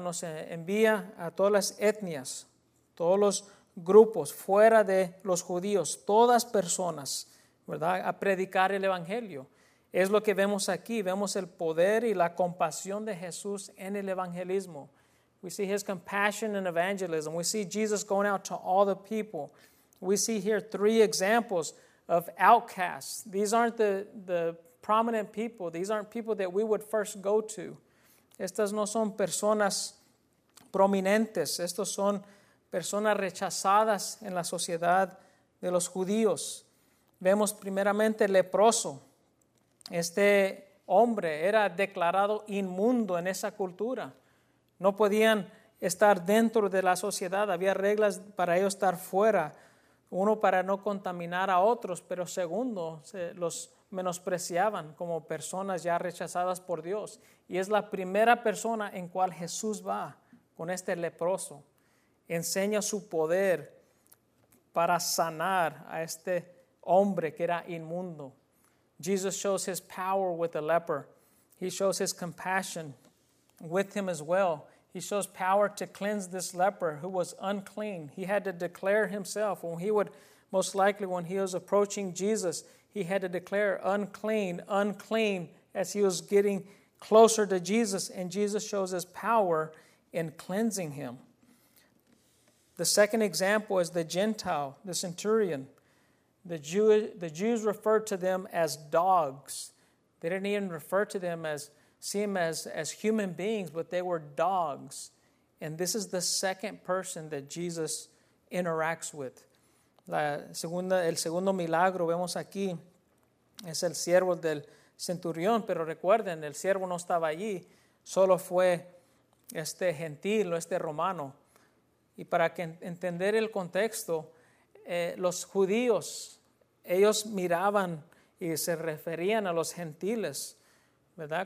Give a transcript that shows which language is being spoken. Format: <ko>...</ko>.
<es>Nos envía a todas las etnias, todos los grupos fuera de los judíos, todas personas, ¿verdad? A predicar el evangelio. Es lo que vemos aquí, vemos el poder y la compasión de Jesús en el evangelismo.</es> <en>We see His compassion in evangelism, we see Jesus going out to all the people. We see here three examples of outcasts. These aren't the prominent people. These aren't people that we would first go to.</en> <es>Estas no son personas prominentes. Estos son personas rechazadas en la sociedad de los judíos. Vemos primeramente el leproso. Este hombre era declarado inmundo en esa cultura. No podían estar dentro de la sociedad. Había reglas para ellos estar fuera. uno para no contaminar a otros, pero segundo, los menospreciaban como personas ya rechazadas por Dios. Y es la primera persona en cual Jesús va con este leproso. Enseña su poder para sanar a este hombre que era inmundo.</es> <en>Jesus shows his power with the leper. He shows his compassion with him as well. He shows power to cleanse this leper who was unclean. He had to declare himself. When he would, most likely when he was approaching Jesus, he had to declare unclean, unclean, as he was getting closer to Jesus. And Jesus shows his power in cleansing him. The second example is the Gentile, the centurion. The Jews referred to them as dogs. They didn't even refer to them as, see them as human beings, but they were dogs. And this is the second person that Jesus interacts with.</en> <es>El segundo milagro vemos aquí es el siervo del centurión. Pero recuerden, el siervo no estaba allí, solo fue este gentil o este romano. Y para que entender el contexto, los judíos, ellos miraban y se referían a los gentiles, ¿verdad?</es>